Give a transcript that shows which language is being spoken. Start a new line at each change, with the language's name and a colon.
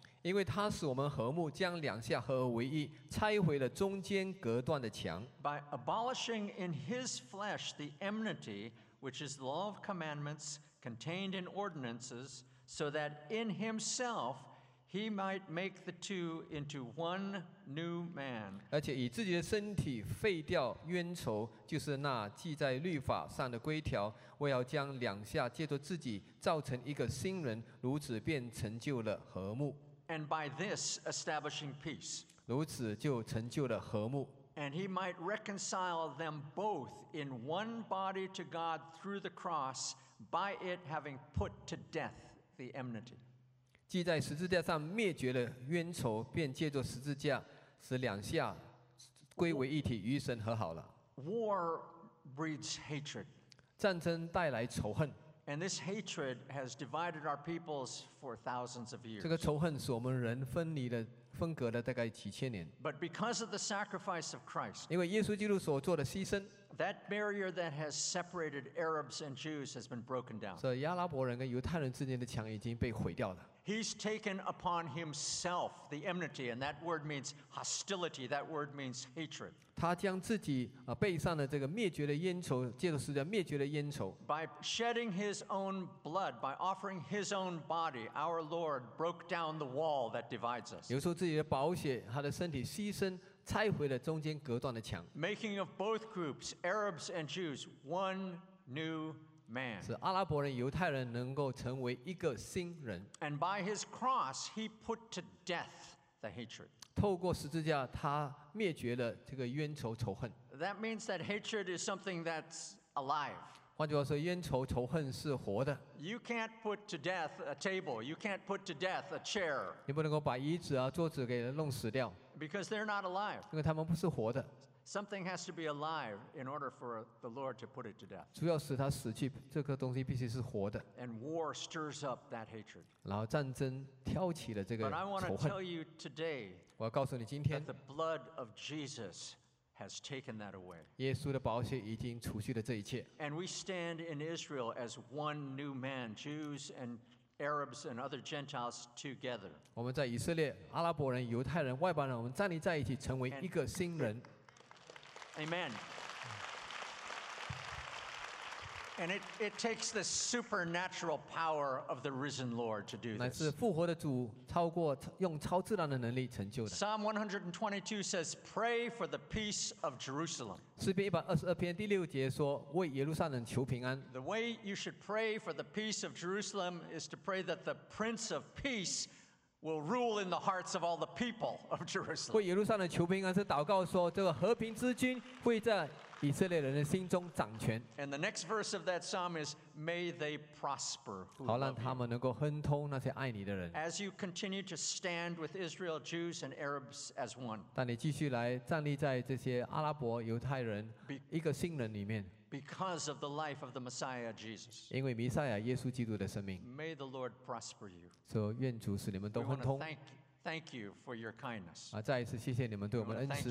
Chinese: 因为他使我们和睦，将两下合而为一，拆毁了中间隔断的墙。
English: By abolishing in his flesh the enmity, which is the law of commandments contained in ordinances, so that in himself He might make the two into one new man.
Chinese: 而且以自己的身体废掉冤仇，就是那记在律法上的规条，为要将两下借着自己造成一个新人，如此便成就了和睦。
English: And by this establishing peace.
Chinese: 如此就成就了和睦。
English: And he might reconcile them both in one body to God through the cross, by it having put to death the enmity.
Chinese: 既在十字架上灭绝了冤仇，便借着十字架使两下归为一体，与神和好了。
English: War breeds hatred.
Chinese: 战争带来仇恨。
English: And this hatred has divided our peoples for thousands of years.
Chinese: 这个仇恨使我们人分离了。分隔了大概几千年。
English: But because of the sacrifice of Christ,
Chinese: 因为耶稣基督所做的牺牲，
English: that barrier that has separated Arabs and Jews has been broken down.
Chinese: 所以亚拉伯人跟犹太人之间的墙已经被毁掉了。
English: He's taken upon himself the enmity, and that word means hostility. That word means hatred.
Chinese: 他将自己背上的这个灭绝的冤仇，借着十字架灭绝的冤仇。
English: By shedding his own blood, by offering his own body, our Lord broke down the wall that divides us.
Chinese: 流出自己的宝血，他的身体牺牲，拆毁了中间隔断的墙。
English: Making of both groups, Arabs and Jews, one new man.
Chinese: 使阿拉伯人、犹太人能够成为一个新人。
English: And by his cross, he put to death the hatred.
Chinese: 透过十字架，他灭绝了这个冤仇仇恨。
English: That means that hatred is something that's alive.
Chinese: 换句话说，冤仇仇恨是活的。
English: You can't put to death a table. You can't put to death a chair.
Chinese: 你不能够把椅子啊、桌子给弄死掉。
English: Because they're not alive.
Chinese: 因为他们不是活的。
English: Something has to be alive in order for the Lord to put it to death.
Chinese: 主要使他死去，这个东西必须是活的。
English: And war stirs up that hatred.
Chinese: 然后战争挑起了这个仇恨。
English: But I want to tell you today,
Chinese: 我要告诉你今天，
English: that the blood of Jesus has taken that away.
Chinese: 耶稣的宝血已经除去了这一切。
English: And we stand in Israel as one new man, Jews and Arabs and other Gentiles together.
Chinese: 我们在以色列，阿拉伯人、犹太人、外邦人，我们站立在一起，成为一个新人。
English: Amen. And it takes the supernatural power of the risen Lord to do this.
Chinese: 乃是复活的主超过用超自然的能力成就的。
English: Psalm 122 says, "Pray for the peace of Jerusalem."
Chinese: 诗篇一百二十二篇第六节说，为耶路撒冷求平安。
English: The way you should pray for the peace of Jerusalem is to pray that the Prince of Peace will rule in the hearts of all the people of Jerusalem.
Chinese: 为耶路撒冷求平安是祷告说，这个和平之君会在以色列人的心中掌权。
English: And the next verse of that psalm is, "May they prosper."
Chinese: 好，让他们能够亨通那些爱你的人。
English: As you continue to stand with Israel, Jews, and Arabs as one.
Chinese: 当你继续来站立在这些阿拉伯、犹太人一个新人里面。
English: Because of the life of the Messiah Jesus.
Chinese: 因为弥赛亚耶稣基督的生命。
English: May the Lord prosper you.
Chinese: 所以愿主使你们都亨通。
English: Thank you for your kindness.
Chinese: 再一次谢谢你们对我们的恩慈。